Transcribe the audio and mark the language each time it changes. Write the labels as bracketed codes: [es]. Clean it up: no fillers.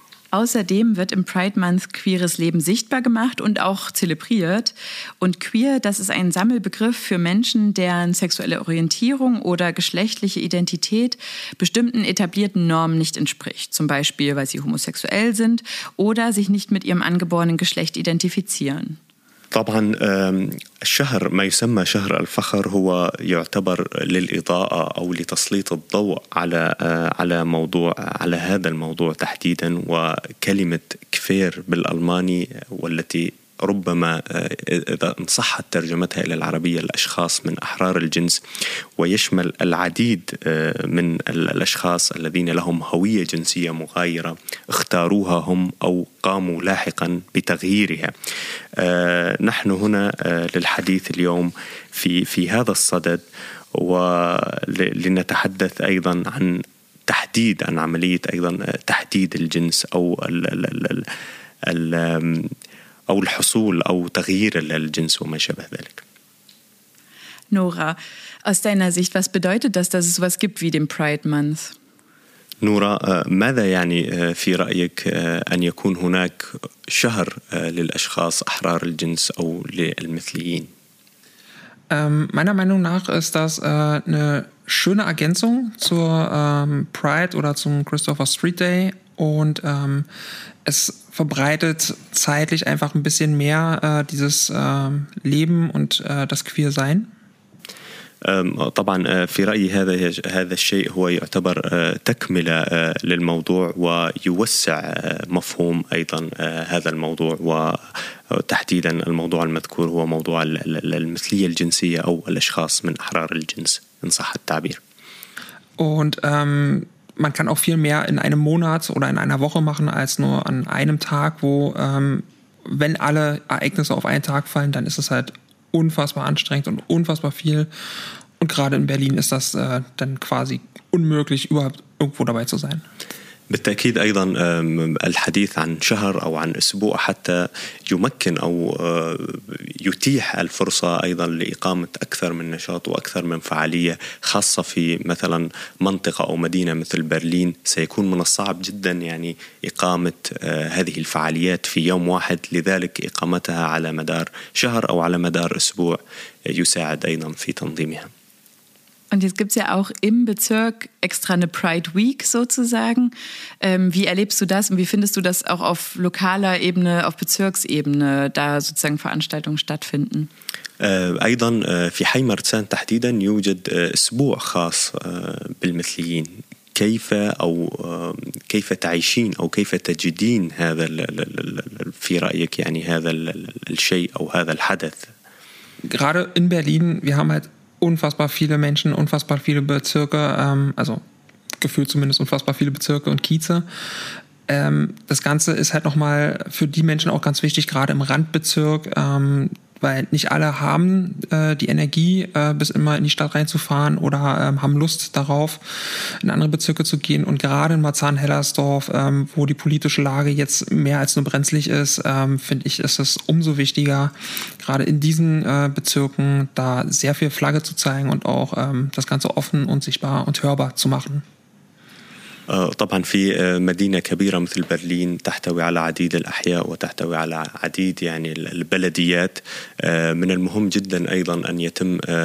[de] Außerdem wird im Pride Month queeres Leben sichtbar gemacht und auch zelebriert. Und queer, das ist ein Sammelbegriff für Menschen, deren sexuelle Orientierung oder geschlechtliche Identität bestimmten etablierten Normen nicht entspricht. Zum Beispiel, weil sie homosexuell sind oder sich nicht mit ihrem angeborenen Geschlecht identifizieren. [ar] طبعا الشهر ما يسمى شهر الفخر هو يعتبر للإضاءة أو لتسليط الضوء على هذا الموضوع تحديدا. وكلمة كفير بالألماني والتي ربما إذا انصحت ترجمتها إلى العربية الأشخاص من أحرار الجنس ويشمل العديد من الأشخاص الذين لهم هوية جنسية مغايرة اختاروها هم أو قاموا لاحقا بتغييرها. نحن هنا للحديث اليوم في هذا الصدد ولنتحدث أيضا عن تحديد عن عملية أيضا تحديد الجنس أو ال أو الحصول أو تغيير الجنس وما شابه ذلك. [de] Nora, aus deiner Sicht, was bedeutet das, dass es sowas gibt wie den Pride Month? [ar] نورا ماذا يعني في رأيك أن يكون هناك شهر للأشخاص أحرار الجنس أو للمثليين؟ [de] Meiner Meinung nach ist das eine schöne Ergänzung zur Pride oder zum Christopher Street Day und es verbreitet zeitlich einfach ein bisschen mehr dieses Leben und das Queersein. [ar] طبعا في رأيي هذا الشيء هو يعتبر تكملة للموضوع ويوسع مفهوم أيضا هذا الموضوع وتحديدا الموضوع المذكور هو موضوع المثلية الجنسية أو الأشخاص من أحرار الجنس إن صح التعبير. [de] Und man kann auch viel mehr in einem Monat oder in einer Woche machen als nur an einem Tag, wo wenn alle Ereignisse auf einen Tag fallen, dann ist es halt unfassbar anstrengend und unfassbar viel. Und gerade in Berlin ist das dann quasi unmöglich, überhaupt irgendwo dabei zu sein. [ar] بالتأكيد أيضا الحديث عن شهر أو عن أسبوع حتى يمكن أو يتيح الفرصة أيضا لإقامة أكثر من نشاط وأكثر من فعالية خاصة في مثلا منطقة أو مدينة مثل برلين سيكون من الصعب جدا يعني إقامة هذه الفعاليات في يوم واحد لذلك إقامتها على مدار شهر أو على مدار أسبوع يساعد أيضا في تنظيمها. [de] Und jetzt gibt es ja auch im Bezirk extra eine Pride Week sozusagen. Wie erlebst du das und wie findest du, dass auch auf lokaler Ebene, auf Bezirksebene da sozusagen Veranstaltungen stattfinden? [ar] أيضا في حي مرسان تحديدا يوجد أسبوع خاص بالمثليين. كيف تعيشين أو كيف تجدين هذا في رأيك يعني هذا الشيء أو هذا الحدث؟ [de] Gerade in Berlin, wir haben halt unfassbar viele Menschen, unfassbar viele Bezirke, also gefühlt zumindest unfassbar viele Bezirke und Kieze. Das Ganze ist halt nochmal für die Menschen auch ganz wichtig, gerade im Randbezirk, weil nicht alle haben die Energie, bis immer in die Stadt reinzufahren oder haben Lust darauf, in andere Bezirke zu gehen. Und gerade in Marzahn-Hellersdorf, wo die politische Lage jetzt mehr als nur brenzlig ist, finde ich, ist es umso wichtiger, gerade in diesen Bezirken da sehr viel Flagge zu zeigen und auch das Ganze offen und sichtbar und hörbar zu machen. [ar] طبعا في مدينة كبيرة مثل برلين تحتوي على عديد الأحياء وتحتوي على عديد يعني البلديات من المهم جدا أيضا أن يتم